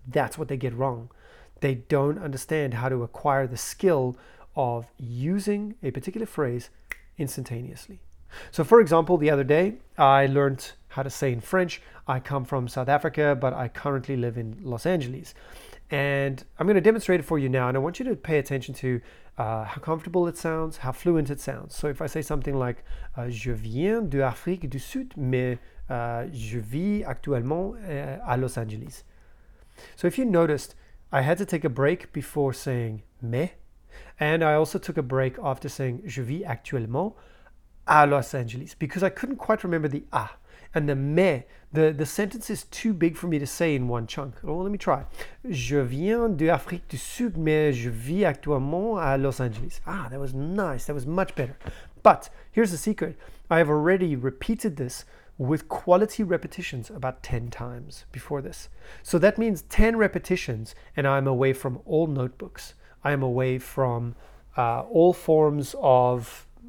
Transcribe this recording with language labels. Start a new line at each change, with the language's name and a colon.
English: That's what they get wrong. They don't understand how to acquire the skill of using a particular phrase instantaneously. So for example, the other day, I learned how to say in French, I come from South Africa, but I currently live in Los Angeles. And I'm going to demonstrate it for you now, and I want you to pay attention to how comfortable it sounds, how fluent it sounds. So if I say something like,
French: je viens de Afrique du Sud, mais je vis actuellement à Los Angeles.
English: So if you noticed, I had to take a break before saying mais, and I also took a break after saying
French: je vis actuellement à Los Angeles,
English: because I couldn't quite remember the a. And the mais, the sentence is too big for me to say in one chunk. Well, let me try.
French: Je viens de Afrique du Sud, mais je vis actuellement à Los Angeles.
English: Ah, that was nice. That was much better. But here's the secret. I have already repeated this with quality repetitions about 10 times before this. So that means 10 repetitions and I'm away from all notebooks. I am away from all forms of,